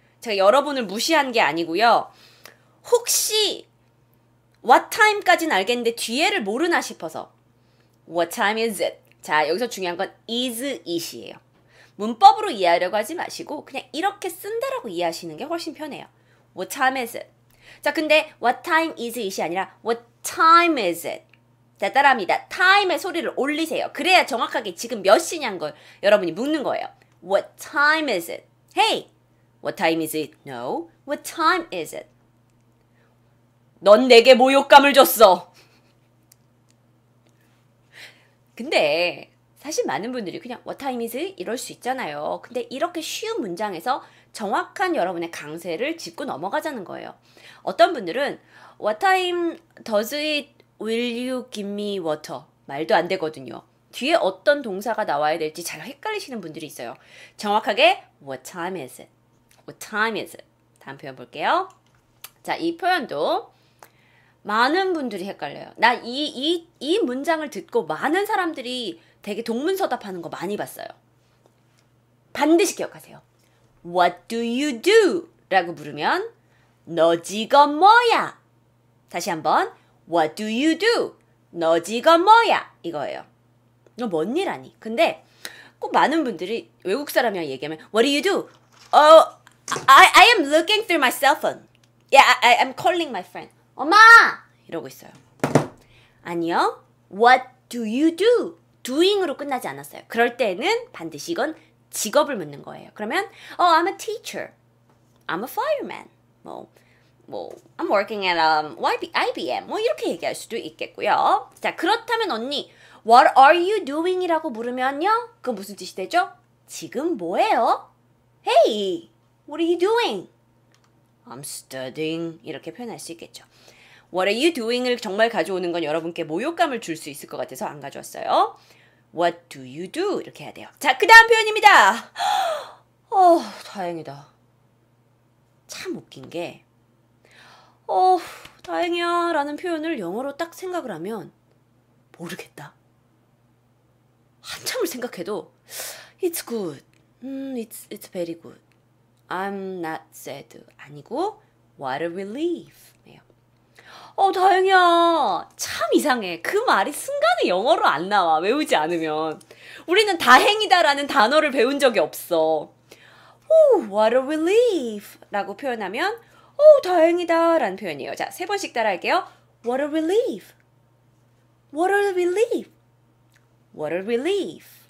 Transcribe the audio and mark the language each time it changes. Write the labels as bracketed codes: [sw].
[ko] 제가 여러분을 무시한 게 아니고요. 혹시 what time까지는 알겠는데 뒤에를 모르나 싶어서 [en] what time is it? [ko] 자, 여기서 중요한 건 is it이에요. 문법으로 이해하려고 하지 마시고 그냥 이렇게 쓴다라고 이해하시는 게 훨씬 편해요. [en] What time is it? [ko] 자, 근데 [en] what time is it [ko] 이 아니라 [en] what time is it? [ko] 자, 따라합니다. 타임의 소리를 올리세요. 그래야 정확하게 지금 몇 시냐는 걸 여러분이 묻는 거예요. [en] What time is it? Hey! What time is it? No. What time is it? [ko] 넌 내게 모욕감을 줬어. 근데 사실 많은 분들이 그냥 [en] What time is it? [ko] 이럴 수 있잖아요. 근데 이렇게 쉬운 문장에서 정확한 여러분의 강세를 짚고 넘어가자는 거예요. 어떤 분들은 [en] What time does it? Will you give me water? 말도 안 되거든요. [ko] 뒤에 어떤 동사가 나와야 될지 잘 헷갈리시는 분들이 있어요. 정확하게 [en] What time is it? What time is it? [ko] 다음 표현 볼게요. 자, 이 표현도 많은 분들이 헷갈려요. 나 이 문장을 듣고 많은 사람들이 되게 동문서답하는 거 많이 봤어요. 반드시 기억하세요. [en] What do you do? [ko] 라고 물으면 너 지금 뭐야? [en] 다시 한번 What do you do? [ko] 너 지금 뭐야? 이거예요. 너 뭔 일 하니? 근데 꼭 많은 분들이 외국 사람이랑 얘기하면 [en] What do you do? I am looking through my cell phone. Yeah, I am calling my friend. [ko] 엄마! 이러고 있어요. 아니요. [en] What do you do? [ko] Doing으로 끝나지 않았어요. 그럴 때는 반드시 이건 직업을 묻는 거예요. 그러면 [en] Oh, I'm a teacher. I'm a fireman. 뭐, I'm working at IBM. [ko] 뭐 이렇게 얘기할 수도 있겠고요. 자, 그렇다면 언니, [en] What are you doing? [ko] 이라고 물으면요. 그건 무슨 뜻이 되죠? 지금 뭐예요? [en] Hey, what are you doing? I'm studying. [ko] 이렇게 표현할 수 있겠죠. [en] What are you doing? [ko] 을 정말 가져오는 건 여러분께 모욕감을 줄 수 있을 것 같아서 안 가져왔어요. [en] What do you do? [ko] 이렇게 해야 돼요. 자, 그 다음 표현입니다. 다행이다. 참 웃긴 게 다행이야 라는 표현을 영어로 딱 생각을 하면 모르겠다. 한참을 생각해도 [en] It's good. It's very good. I'm not sad. 아니고 What a relief. [ko] 다행이야. 참 이상해. 그 말이 순간에 영어로 안 나와. 외우지 않으면. 우리는 다행이다 라는 단어를 배운 적이 없어. [en] What a relief. [ko] 라고 표현하면 다행이다 라는 표현이에요. 자, 세 번씩 따라 할게요. [en] What a relief. What a relief. What a relief.